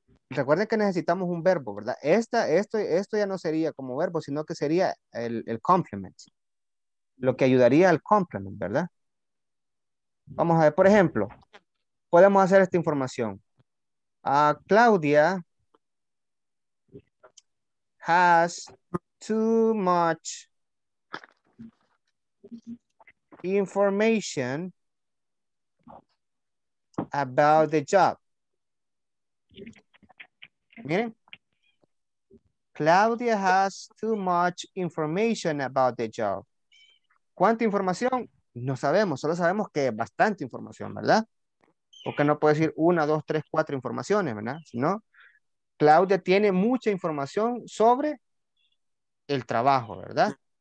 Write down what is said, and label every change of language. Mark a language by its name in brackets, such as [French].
[Spanish] Recuerden que necesitamos un verbo, ¿verdad? Esto ya no sería como verbo, sino que sería el complement. Lo que ayudaría al complement, ¿verdad? Vamos a ver, por ejemplo, podemos hacer esta información. [English] Claudia has too much information about the job. [Spanish] Miren. [English] Claudia has too much information about the job. [Spanish] ¿Cuánta información? No sabemos, solo sabemos que es bastante información, ¿verdad? Porque no puede decir una, dos, tres, cuatro informaciones, ¿verdad? Sino, Claudia tiene mucha información sobre el trabajo, ¿verdad?